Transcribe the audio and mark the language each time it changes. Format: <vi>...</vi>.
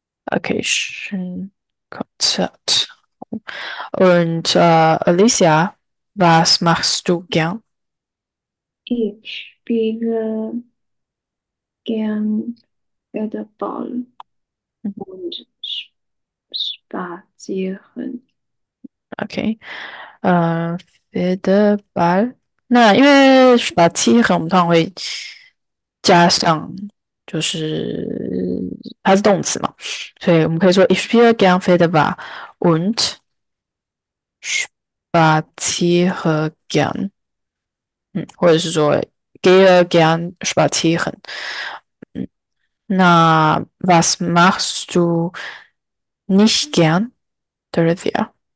<de>Okay, schön. Konzert. Und Alicia, was machst du gern? Ich spiele gern Federball und spazieren. Okay, Federball.</de> <zh>那因为 spazieren 我们通常会加上就是。它是动词嘛，所以我们可以说</zh> <de>"Ich spiele gern Federball und spaziere gern"，</de> <zh>或者是说</zh> <de>"gehe gern spazieren"。那 "Was machst du nicht gern, Dorothea？"</de>